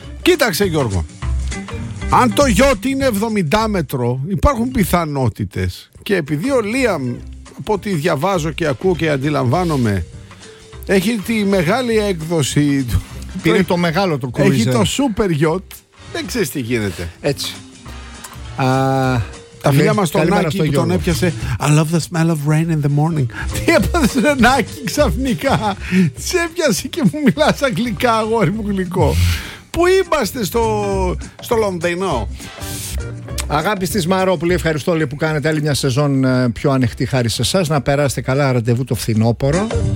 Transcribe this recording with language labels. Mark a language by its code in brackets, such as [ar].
[el] Κοίταξε Γιώργο, αν το γιότι είναι 70 μέτρο υπάρχουν πιθανότητες. Και επειδή ο Λίαμ, από ό,τι διαβάζω και ακούω και αντιλαμβάνομαι, έχει τη μεγάλη έκδοση του. Πήρε το μεγάλο το κρούιζερ. Έχει το super γιότ, δεν ξέρεις τι γίνεται. Έτσι. Τα φίλια μας τον Άκη που τον έπιασε [en] I love the smell of rain in the morning. [el] Τι έπαθε σε τον Άκη ξαφνικά? Σε έπιασε και μου μιλάς αγγλικά, αγόρι μου γλυκό. Πού είμαστε στο Λονδίνο? Αγάπη στη Μαρόπουλη, ευχαριστώ όλοι που κάνετε άλλη μια σεζόν πιο ανοιχτή χάρη σε εσάς. Να περάσετε καλά, ραντεβού το φθινόπωρο.